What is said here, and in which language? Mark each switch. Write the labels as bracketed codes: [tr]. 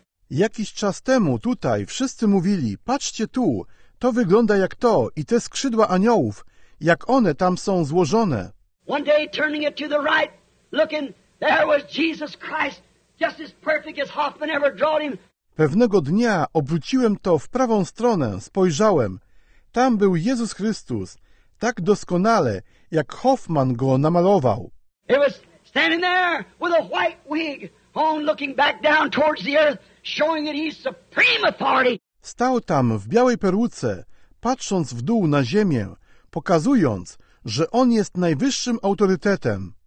[pl] Jakiś czas temu tutaj wszyscy mówili, patrzcie tu, to wygląda jak to i te skrzydła aniołów, jak one tam są złożone. [en] One day turning it to the right, looking, there was Jesus Christ, just as perfect as Hoffman ever drawn him. [pl] Pewnego dnia obróciłem to w prawą stronę, spojrzałem. Tam był Jezus Chrystus, tak doskonale, jak Hoffman go namalował. [en] He was standing there with a white wig on, looking back down towards the earth, showing that he's supreme authority. [pl] Stał tam w białej peruce, patrząc w dół na ziemię, pokazując, że on jest najwyższym autorytetem.